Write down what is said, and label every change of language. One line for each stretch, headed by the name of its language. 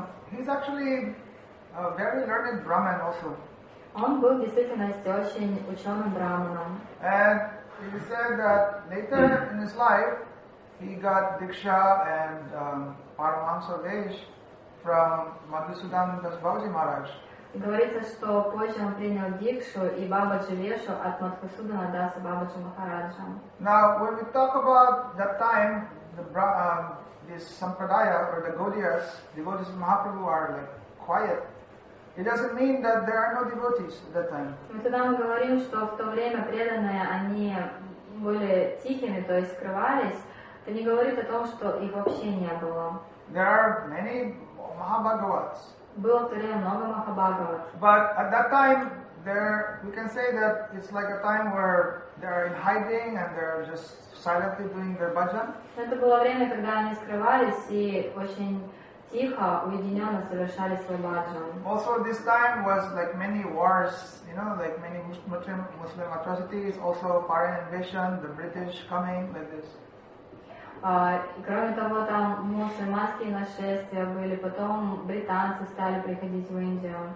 English: He's actually a very learned Brahmin also.
Russian: Он был в действительности очень ученым брахманом.
English: And he said that later in his life he got diksha and Paramahamsa Vaish from Madhusudan Das Babaji Maharaj.
Russian: Говорится, что позже он принял дикшу и Бабаджи Вешу от Мадхусудана Даса Бабаджи Махараджа.
English: Now, when we talk about that time, this sampradaya or the Gaudiyas, devotees of Mahaprabhu are like quiet. It doesn't mean that there are no devotees at that time.
Russian: Мы тогда говорим, что в то время преданные они были тихими, то есть скрывались. Это не говорит о том, что их вообще не было.
English: There are many Mahabhagavats.
Russian: Было в то время много Махабхагават.
English: But at that time, we can say that it's like a time where they are in hiding and they are just silently doing their bhajan.
Russian: Это было время, когда они скрывались и очень тихо, уединенно совершали свой бхаджан.
English: Also, this time was like many wars, you know, like many Muslim atrocities, also foreign invasion, the British coming like this.
Russian: Кроме того, там мусульманские нашествия были, потом британцы стали приходить в Индию.